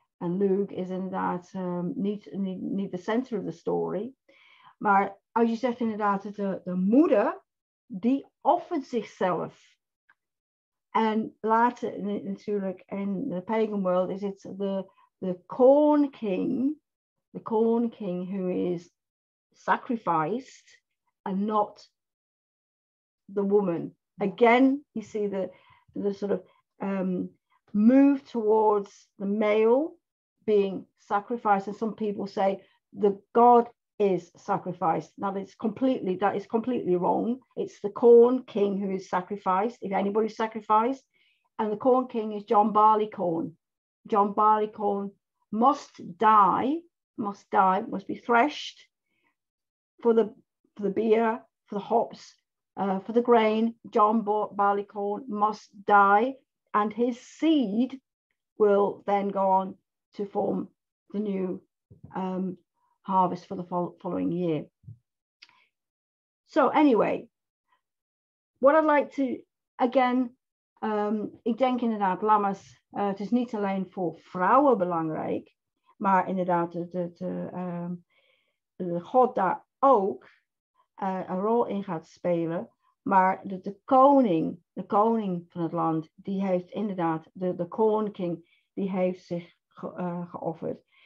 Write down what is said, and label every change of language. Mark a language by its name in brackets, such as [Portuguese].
[Dutch] En Luke is inderdaad niet [English] the center of the story. [Dutch] Maar als je zegt inderdaad, de moeder, die offert zichzelf. En later natuurlijk in de pagan world is het [English] the corn king. The corn king who is sacrificed and not the woman. Again, you see the sort of move towards the male being sacrificed. And some people say the god is sacrificed. That is completely wrong. It's the corn king who is sacrificed, if anybody's sacrificed, and the corn king is John Barleycorn must be threshed for the beer, for the hops, for the grain. John Barleycorn must die, and his seed will then go on to form the new harvest for the following year. So anyway, what I'd like to, again, [Dutch] ik denk inderdaad, lamas, het is niet alleen voor vrouwen belangrijk, maar inderdaad, de God daar ook een rol in gaat spelen, maar de koning van het land, die heeft inderdaad, de corn king, die heeft zich geofferd.